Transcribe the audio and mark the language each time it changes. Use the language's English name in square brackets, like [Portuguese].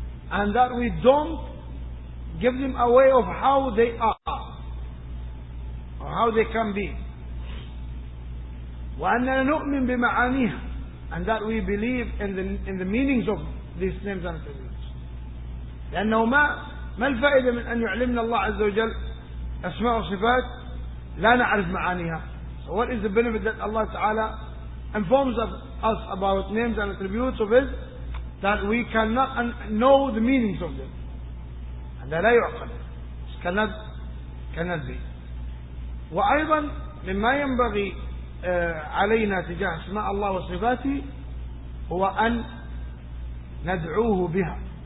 [English] And that we don't give them away of how they are or how they can be. [Arabic] وأننا نؤمن بمعانيها. [English] And that we believe in the meanings of these names and attributes. [Arabic] لأنه ما الفائدة من أن يعلمنا الله عز وجل أسماء وصفات لا نعرف معانيها. [English] So what is the benefit that Allah Ta'ala informs us about names and attributes of His that we cannot know the meanings of them? [Arabic] هذا لا يعقل. [English] This cannot be. [Arabic] وأيضا مما ينبغي علينا تجاه أسماء الله وصفاته هو أن ندعوه بها.